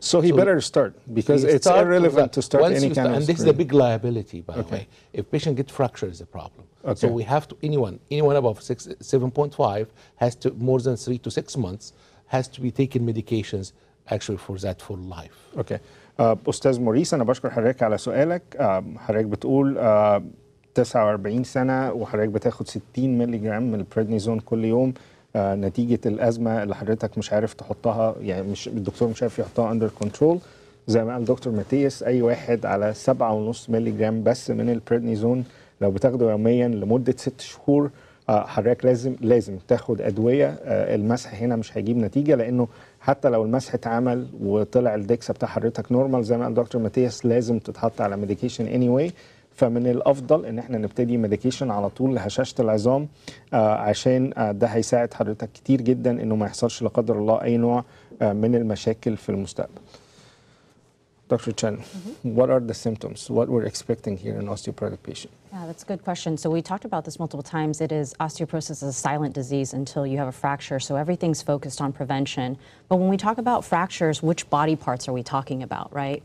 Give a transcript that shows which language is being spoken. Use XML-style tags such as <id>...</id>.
<en>So he better start because it's irrelevant to start any kind of screen. And this is a big liability, by the way. If patient gets fractured, it's a problem. Okay. So we have to, anyone above 7.5 has to, more than 3 to 6 months, has to be taking medications actually for that for life. Okay.</en> <ar>أستاذ موريس أنا بشكر حضرتك على سؤالك. حضرتك بتقول 49 سنة وحضرتك بتاخد 60 ميلي جرام من البريدنيزون كل يوم نتيجة الأزمة اللي حضرتك مش عارف تحطها, يعني مش الدكتور مش عارف يحطها</ar> <en>under control.</en> <ar>زي ما قال دكتور ماتياس, أي واحد على 7.5 ميلي جرام بس من البريدنيزون لو بتاخده يوميا لمدة 6 شهور حضرتك لازم تاخد أدوية. المسح هنا مش هيجيب نتيجة, لأنه حتى لو المسح اتعمل وطلع الدكسة بتاع حضرتك نورمال زي ما قال دكتور ماتياس لازم تتحط على ميديكيشن</ar> <en>anyway.</en> <ar>فمن الأفضل إن احنا نبتدي ميديكيشن على طول لهشاشة العظام عشان ده هيساعد حضرتك كتير جدا إنه ما يحصلش لقدر الله أي نوع من المشاكل في المستقبل.</ar> <en>Dr. Chen, what are the symptoms? What we're expecting here in osteoporotic patient? Yeah, that's a good question. So we talked about this multiple times. It is osteoporosis is a silent disease until you have a fracture. So everything's focused on prevention. But when we talk about fractures, which body parts are we talking about, right?</en>